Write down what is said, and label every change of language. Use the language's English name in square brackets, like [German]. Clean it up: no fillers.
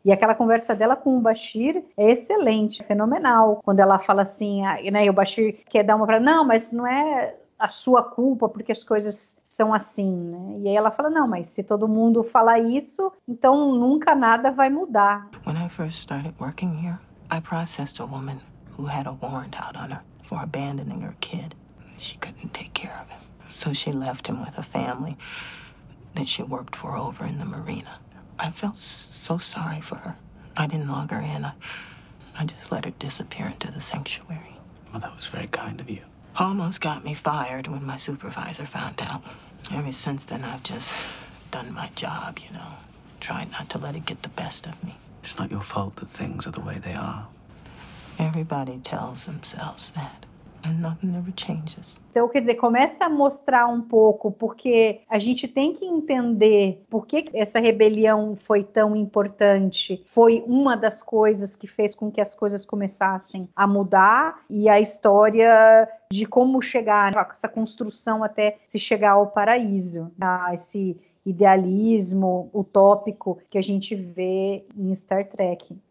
[Portuguese] E aquela conversa dela com o Bashir é excelente, é fenomenal. Quando ela fala assim, né, e o Bashir quer dar uma pra... Não, mas não é a sua culpa porque as coisas são assim, né? E aí ela fala, não, mas se todo mundo falar isso, então nunca nada vai mudar. [English] When I first started working here, I processed a woman who had a warrant out on her for abandoning her kid. She couldn't take care of him. So she left him with a family that she worked for over in the marina. I felt so sorry for her. I didn't log her in. I just let her disappear into the sanctuary. Well, that was very kind of you. Almost got me fired when my supervisor found out. Ever since then, I've just done my job, you know, trying not to let it get the best of me. It's not your fault that things are the way they are. Everybody tells themselves that, and nothing ever changes. [Portuguese] Então, quer dizer, começa a mostrar um pouco, porque a gente tem que entender por que essa rebelião foi tão importante. Foi uma das coisas que fez com que as coisas começassem a mudar e a história de como chegar, essa construção até se chegar ao paraíso, a esse idealismo utópico que a gente vê em Star Trek.